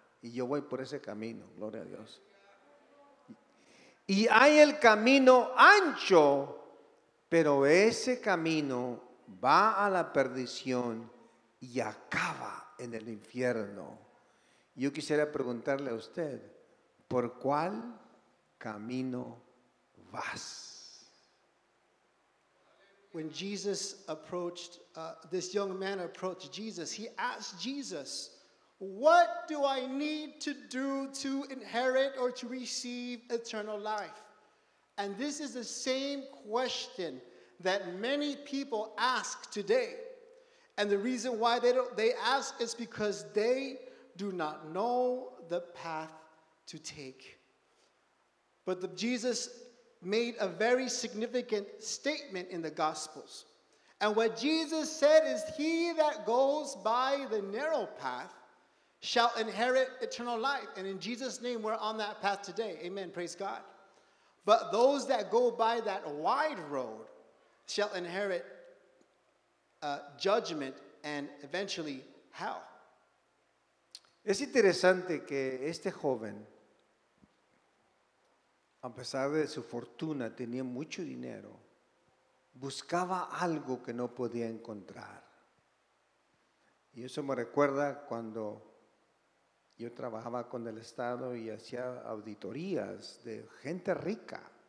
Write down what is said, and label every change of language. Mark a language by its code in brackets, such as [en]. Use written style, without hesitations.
[es] Y yo voy por ese camino, gloria a Dios. Y hay el camino ancho, pero ese camino va a la perdición y acaba en el infierno. Yo quisiera preguntarle a usted, ¿por cuál camino vas? [en] When Jesus approached, this young man approached Jesus, he asked Jesus, what do I need to do to inherit or to receive eternal life? And this is the same question that many people ask today. And the reason why they ask is because they do not know the path to take. But Jesus made a very significant statement in the Gospels. And what Jesus said is, he that goes by the narrow path shall inherit eternal life. And in Jesus' name, we're on that path today. Amen. Praise God. But those that go by that wide road shall inherit judgment and eventually hell. [es] Es interesante que este joven, a pesar de su fortuna, tenía mucho dinero, buscaba algo que no podía encontrar. Y eso me recuerda cuando yo trabajaba con el Estado y hacía auditorías de gente rica.